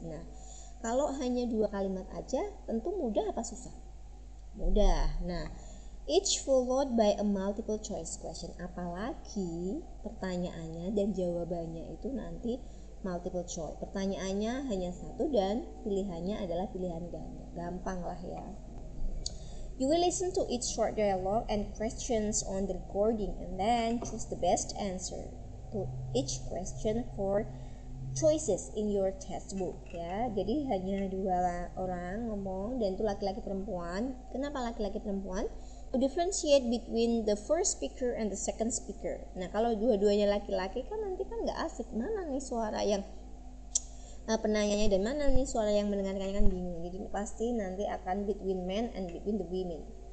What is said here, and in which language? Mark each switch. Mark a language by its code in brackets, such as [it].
[id] Nah kalau hanya dua kalimat aja, tentu mudah apa susah? Mudah. [en] Nah each followed by a multiple choice question, [id] apalagi pertanyaannya dan jawabannya itu nanti [en] multiple choice. [id] Pertanyaannya hanya satu dan pilihannya adalah pilihan ganda. Gampang lah ya. [en] You will listen to each short dialogue and questions on the recording and then choose the best answer to each question for choices in your test book ya. [id] Jadi hanya dua orang ngomong dan itu laki-laki perempuan. Kenapa laki-laki perempuan? [en] To differentiate between the first speaker and the second speaker. [id] Nah kalau dua-duanya laki-laki kan nanti kan gak asik, mana nih suara yang penanyanya dan mana nih suara yang mendengarkan, kan bingung. Jadi pasti nanti akan [en] between men and between the women.